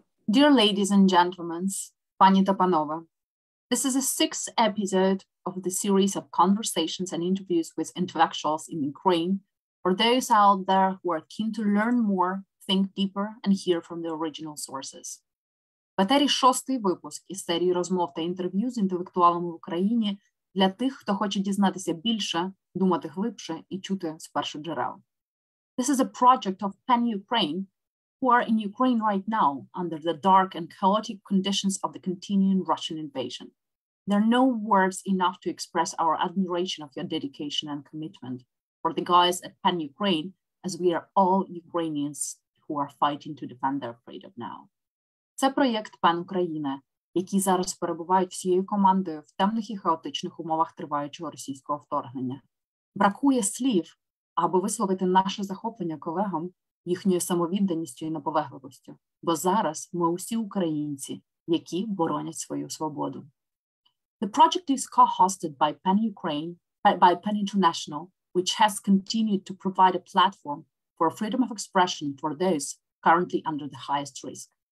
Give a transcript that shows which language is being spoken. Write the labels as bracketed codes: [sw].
[en] Dear ladies and gentlemen, [uk] Pani ta panowa, [en] this is the sixth episode of the series of conversations and interviews with intellectuals in Ukraine for those out there who are keen to learn more, think deeper, and hear from the original sources. [uk] Батері шостий випуск із серії розмов та інтерв'ю з інтелектуалами в Україні для тих, хто хоче дізнатися більше, думати глибше і чути з перших джерел. [en] This is a project of Pan-Ukraine, who are in Ukraine right now under the dark and chaotic conditions of the continuing Russian invasion. There are no words enough to express our admiration of your dedication and commitment for the guys at Pan-Ukraine, as we are all Ukrainians who are fighting to defend their freedom now. [uk] Це проєкт «Пан Україна», які зараз перебувають всією командою в темних і хаотичних умовах триваючого російського вторгнення. Бракує слів, аби висловити наше захоплення колегам їхньою самовідданістю і наполегливістю, бо зараз ми усі українці, які боронять свою свободу. [en] The project is co-hosted by Pan Ukraine, by Pan International, which has continued to provide a platform for freedom of expression for those currently under the highest risk.